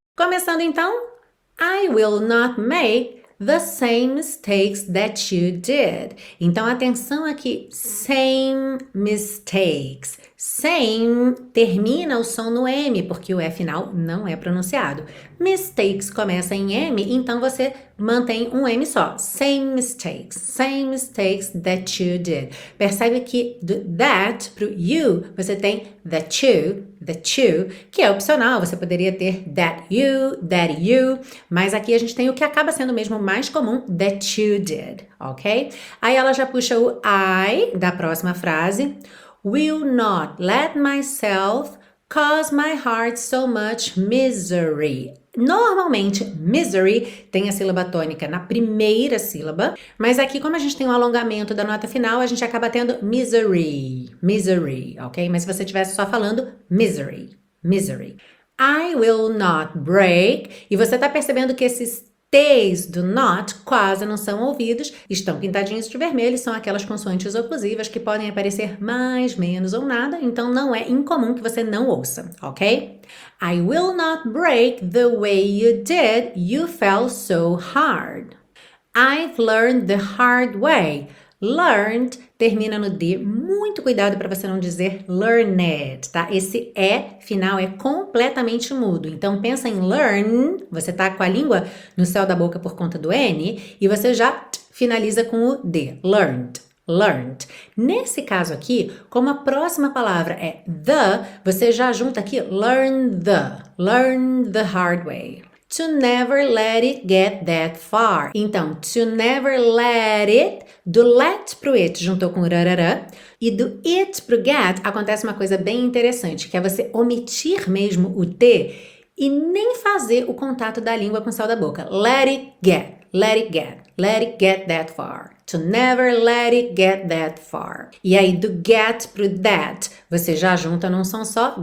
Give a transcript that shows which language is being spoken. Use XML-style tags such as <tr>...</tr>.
<pt>Começando então,</pt> <en>I will not make the same mistakes that you did.</en> <pt>Então atenção aqui,</pt> <en>same mistakes.</en> <pt>Same termina o som no M, porque o E final não é pronunciado. Mistakes começa em M, então você mantém um M só.</pt> <en>Same mistakes that you did.</en> <pt>Percebe que do that pro you, você tem that you, que é opcional, você poderia ter that you, mas aqui a gente tem o que acaba sendo mesmo mais comum,</pt> <en>that you did,</en> <pt>ok? Aí ela já puxa o I da próxima frase.</pt> <en>Will not let myself cause my heart so much misery.</en> <pt>Normalmente, misery tem a sílaba tônica na primeira sílaba, mas aqui, como a gente tem um alongamento da nota final, a gente acaba tendo misery, misery, ok? Mas se você estivesse só falando misery, misery.</pt> <en>I will not break.</en> <pt>E você está percebendo que esses T's do not quase não são ouvidos, estão pintadinhos de vermelho, são aquelas consoantes oclusivas que podem aparecer mais, menos ou nada, então não é incomum que você não ouça, ok?</pt> <en>I will not break the way you did, you fell so hard. I've learned the hard way.</en> <pt>Learned termina no D, muito cuidado para você não dizer learned, tá? Esse E final é completamente mudo, então pensa em learn, você tá com a língua no céu da boca por conta do N, e você já finaliza com o D, learned, learned. Nesse caso aqui, como a próxima palavra é the, você já junta aqui</pt> <en>learn the hard way. To never let it get that far.</en> <pt>Então,</pt> <en>to never let it,</en> <pt>do let pro it, juntou com rarará. E do it pro get, acontece uma coisa bem interessante, que é você omitir mesmo o T e nem fazer o contato da língua com o céu da boca.</pt> <en>Let it get, let it get, let it get that far. To never let it get that far.</en> <pt>E aí, do get pro that, você já junta num som só.</pt>